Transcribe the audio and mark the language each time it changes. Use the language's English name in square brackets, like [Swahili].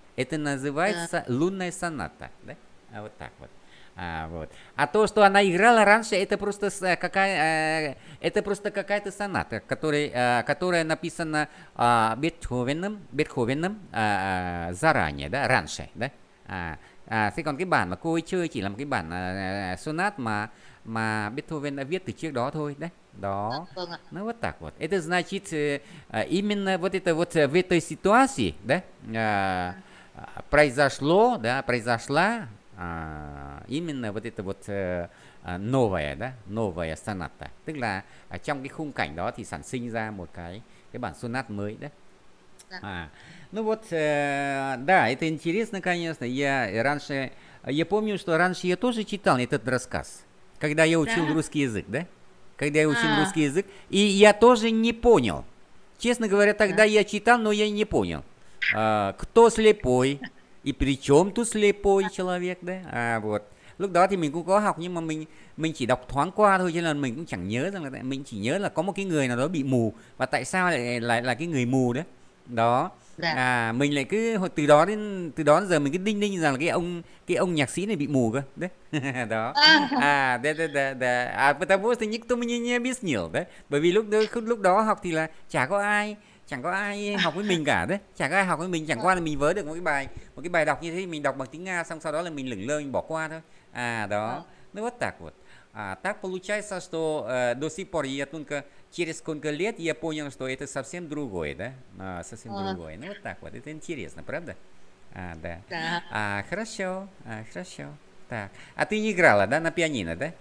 [Russian] Это называется лунная соната, да? А вот так вот. А вот. А то, что она играла раньше, это просто какая-то соната, которая написана Бетховеном заранее, да, раньше, да? [Vietnamese] Thế còn cái bản mà cô ấy chơi chỉ là một cái bản sonat mà Beethoven đã viết từ trước đó thôi đấy. Vâng Đó. ạ. Nó vất tạc vật. [Russian] Это значит именно вот это вот в этой ситуации, да? Произошло, да, произошла именно вот это вот новая, да, новая соната. Тức là trong cái khung cảnh đó thì sản sinh ra một cái bản sonat mới đấy. Ну вот, да, это интересно, конечно. Я помню, что раньше я тоже читал этот рассказ, когда я учил Да. русский язык, да? Когда я учил А. русский язык, и я тоже не понял. Честно говоря, тогда Да. я читал, но я не понял. Кто слепой и при чем тут слепой человек, да? А вот. [Vietnamese] Lúc đó thì mình cũng có học nhưng mà mình chỉ đọc thoáng qua thôi, cho nên mình cũng chẳng nhớ rằng là mình chỉ nhớ là có một cái người nào đó bị mù và tại sao lại là cái người mù đấy. Đó. Dạ. À mình lại cứ từ đó đến giờ mình cứ đinh ninh rằng là cái ông nhạc sĩ này bị mù cơ đấy. Đó. À. À đấy. [Russian] À потому что никто мне не объяснил, đấy. [Vietnamese] Bởi vì lúc đó học thì là chẳng có ai học với mình cả đấy, chẳng có ai học với mình, chẳng qua là mình vớ được một cái bài đọc như thế, mình đọc bằng tiếng Nga xong sau đó là mình lửng lơ mình bỏ qua thôi. À đó. Nó vất tạc vật. [Russian] À так получается, что до сих пор я только через сколько лет я понял, что это совсем другое, да? А, совсем другое. Ну, вот так вот. Это интересно, правда? А, да. Да. А, хорошо. А, хорошо. Так. А ты не играла, да, на пианино, да?